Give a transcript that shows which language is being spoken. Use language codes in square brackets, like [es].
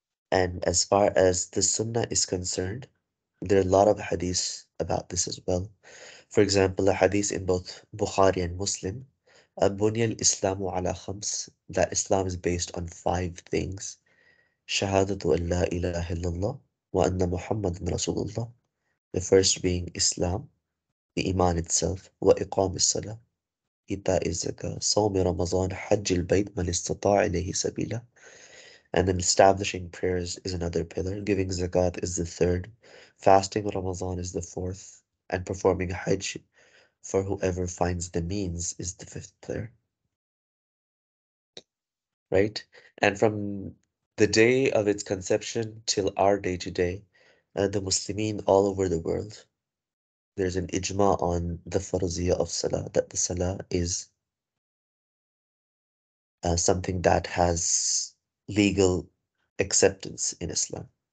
[en] And as far as the sunnah is concerned, there are a lot of hadiths about this as well. For example, a hadith in both Bukhari and Muslim, [ar] أَبُنِيَ الْإِسْلَامُ عَلَىٰ خَمْسِ, [en] that Islam is based on five things. [ar] شَهَادَةُ أَنْ لَا إِلَهَ إِلَّا اللَّهِ وَأَنَّ مُحَمَّدٌ رَسُولُ اللَّهِ, [en] the first being Islam, the Iman itself, [ar] وَإِقَامِ الصَّلَةِ, إِتَاءِ الزَّكَاةِ, صَوْمِ رَمَضَانِ, حَجِّ الْبَيْتِ, مَنْ اسْتَطَاعَ إِلَيْهِ سَبِيلًا, [en] and then establishing prayers is another pillar. Giving zakat is the third. Fasting Ramadan is the fourth. And performing hajj for whoever finds the means is the fifth pillar. Right? And from the day of its conception till our day today, the Muslimin all over the world, there's an ijma on the farziyah of salah, that the salah is something that has legal acceptance in Islam.